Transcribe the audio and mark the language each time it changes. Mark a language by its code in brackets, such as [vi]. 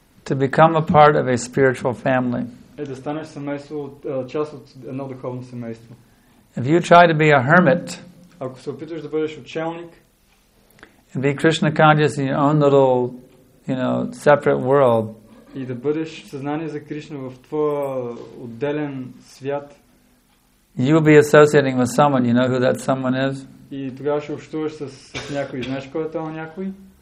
[en] to become a part of a spiritual family. [bg] Е да станеш семейство от част от едно духовно семейство. [en] If you try to be a hermit, [bg] ако се опитваш да бъдеш отчелник, [en] and be Krishna conscious in your own little, you know, separate world, [bg] и да бъдеш съзнание за Кришна в твоя отделен свят, [en] you will be associating with someone. You know who that someone is? [bg] И тогава ще общуваш с някой. Знаеш кой е това някой?